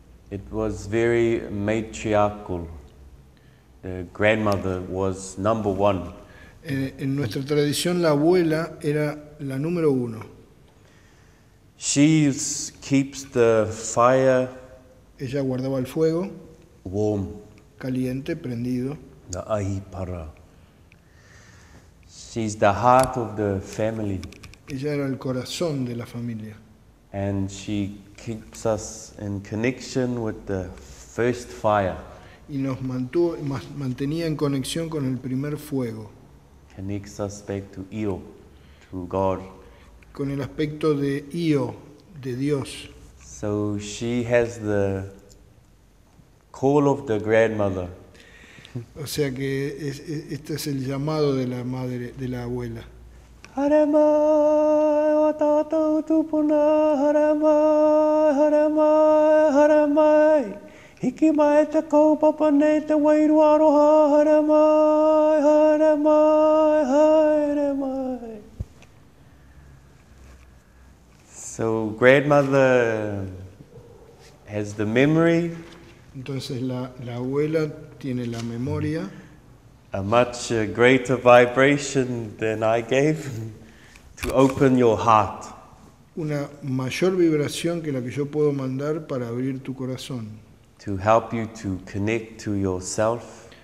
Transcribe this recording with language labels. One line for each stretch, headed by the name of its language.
English: it was very matriarchal. The grandmother was number one.
Spanish: En nuestra tradición, la abuela era la número uno.
English: She keeps the fire.
Spanish: Ella guardaba el fuego.
English: Warm.
Spanish: Caliente, prendido.
English: The ahipara. She's the heart of the family.
Spanish: Ella era el corazón de la familia.
English: And she keeps us in connection with the first fire.
Spanish: Y nos mantenía en conexión con el primer fuego.
English: Connects us back to Io, to God.
Spanish: Con el aspecto de Io, de Dios.
English: So she has the call of the grandmother.
Spanish: O sea que este es el llamado de la madre, de la abuela.
Māori: Haramai, watata utupuna, haramai, haramai, haramai. Hikimai te kaupapanei te wairu aroha, haramai, haramai, haramai.
English: So grandmother has the memory.
Spanish: Entonces la abuela tiene la memoria.
English: A much greater vibration than I gave to open your heart.
Spanish: Una mayor vibración que la que yo puedo mandar para abrir tu corazón.
English: To help you to connect to yourself.